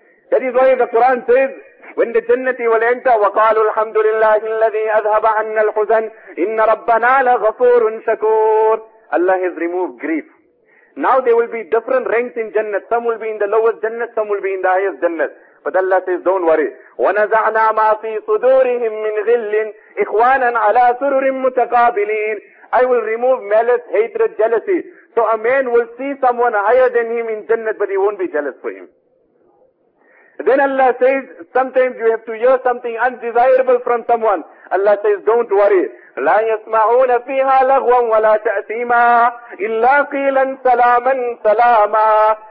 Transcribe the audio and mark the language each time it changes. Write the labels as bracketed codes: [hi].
[en] That is why the Quran says, when the jannati will enter, [ar] وَقَالُوا الْحَمْدُ لِلَّهِ الَّذِي أَذْهَبَ عَنَّ الْحُزَنِ إِنَّ رَبَّنَا لَغَفُورٌ شَكُورٌ. [en] Allah has removed grief. Now there will be different ranks in jannat. Some will be in the lowest jannat, some will be in the highest jannat. But Allah says, don't worry. [ar] وَنَزَعْنَا مَا فِي صُدُورِهِمْ مِنْ غِلٍ إِخْوَانًا عَلَىٰ سُرُرٍ مُتَقَابِلِينَ. [en] I will remove malice, hatred, jealousy. So a man will see someone higher than him in Jannah, but he won't be jealous for him. Then Allah says, sometimes you have to hear something undesirable from someone. Allah says, don't worry. [ar] لَا يَسْمَعُونَ فِيهَا لَغْوًا وَلَا تَأْثِيمًا إِلَّا قِيلًا سَلَامًا سَلَامًا.